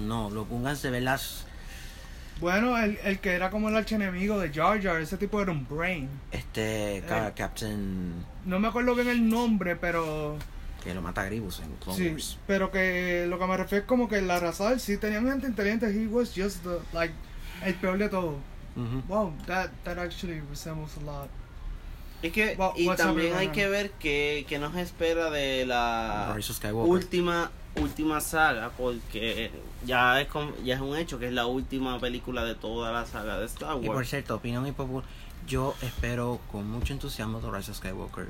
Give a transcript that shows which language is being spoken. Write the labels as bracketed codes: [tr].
[es] No, los Gungans de verdad. Bueno, el que era como el archienemigo de Jar Jar, ese tipo era un brain. [en] Captain. [es] No me acuerdo bien el nombre, pero. Que lo mata Grievous en Clone sí, Wars. Pero que lo que me refiero es como que la raza del sí tenían gente inteligente. [en] He was just the, like, [es] el peor de todo. [en] Mm-hmm. Wow, that actually resembles a lot. [es] Es que, well, y también hay que ver que nos espera de la última saga, porque ya es un hecho que es la última película de toda la saga de Star Wars. Y por cierto, opinión y popular, yo espero con mucho entusiasmo The Rise of Skywalker.